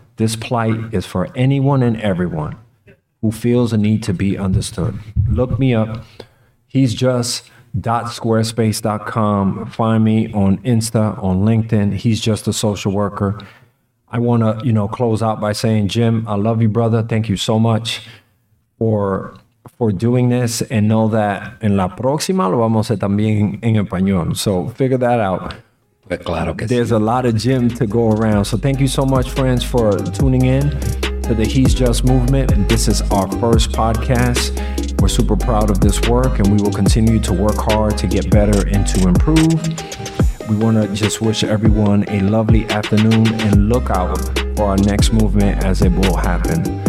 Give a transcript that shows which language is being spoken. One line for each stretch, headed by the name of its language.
English: This plight is for anyone and everyone who feels a need to be understood. Look me up. He's just .squarespace.com. Find me on Insta, on LinkedIn. He's just a social worker. I want to, you know, close out by saying, Jim, I love you, brother. Thank you so much for doing this, and know that
Spanish: en la próxima lo vamos a hacer también en español.
English: So figure that out.
Spanish: Claro que
English: there's
Spanish: sí.
English: A lot of gym to go around. So thank you so much, friends, for tuning in to the He's Just Movement. This is our first podcast. We're super proud of this work, and we will continue to work hard to get better and to improve. We want to just wish everyone a lovely afternoon, and look out for our next movement as it will happen.